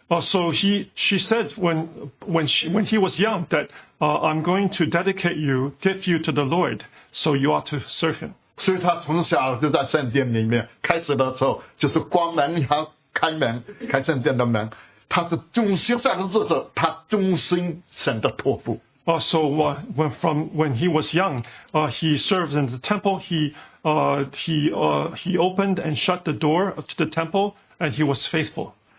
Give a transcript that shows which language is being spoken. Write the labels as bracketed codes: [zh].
[en] So she said when he was young that I'm going to dedicate you, give you to the Lord, so you ought to serve him. [zh] 所以他从小就在圣殿里面，开始的时候就是光门要开门，开圣殿的门。他是忠心，下的日子，他忠心神的托付。 [en] So when he was young, he served in the temple. He opened and shut the door to the temple, and he was faithful.